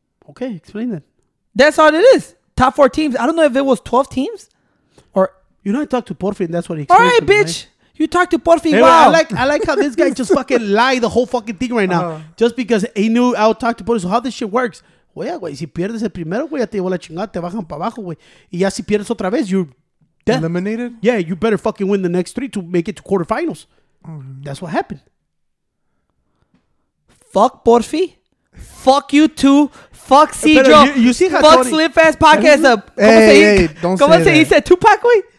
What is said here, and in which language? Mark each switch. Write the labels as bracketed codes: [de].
[en] Okay. Explain that. That's all it is. Top 4 teams. I don't know if it was 12 teams. Or you know, I talked to Porfi and that's what he explained. All right, to me, bitch. Right? You talked to Porfi. Anyway, wow. I like how this guy just fucking lied the whole fucking thing right now. Just because he knew I would talk to Porfi. So how this shit works? [es] Wey, güey, si pierdes el primero, güey, ya te llevo la chingada, te bajan para abajo, güey. Y ya si pierdes otra vez, [en] you're dead. Eliminated? Yeah, you better fucking win the next 3 to make it to quarterfinals. Mm-hmm. That's what happened. Fuck Porfi. Fuck you too. Fuck Cedro. You see how fuck Slim Fast Podcast. Hey, don't say that. He said Tupac, wait.